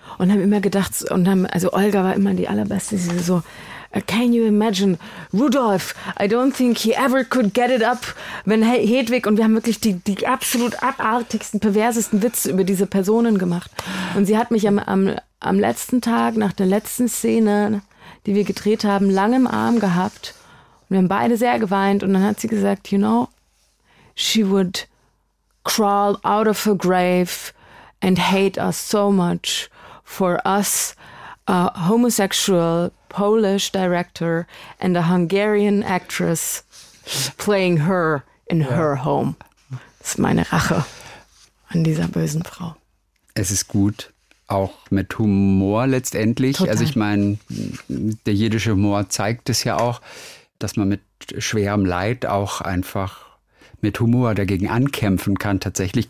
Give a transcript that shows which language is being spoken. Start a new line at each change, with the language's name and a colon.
German: Und haben immer gedacht, und haben, also Olga war immer die allerbeste, sie so,
English: can you imagine, Rudolf, I don't think he ever could get it up,
German: wenn Hedwig, und wir haben wirklich die absolut abartigsten, perversesten Witze über diese Personen gemacht. Und sie hat mich am letzten Tag, nach der letzten Szene, die wir gedreht haben, lang im Arm gehabt. Und wir haben beide sehr geweint. Und dann hat sie gesagt,
English: you know, she would crawl out of her grave and hate us so much for us, a homosexual Polish director and a Hungarian actress playing her in her home.
German: Das ist meine Rache an dieser bösen Frau. Es ist gut, auch mit Humor letztendlich. Total. Also ich meine, der jiddische Humor zeigt es ja auch, dass man mit schwerem Leid auch einfach mit Humor dagegen ankämpfen kann tatsächlich.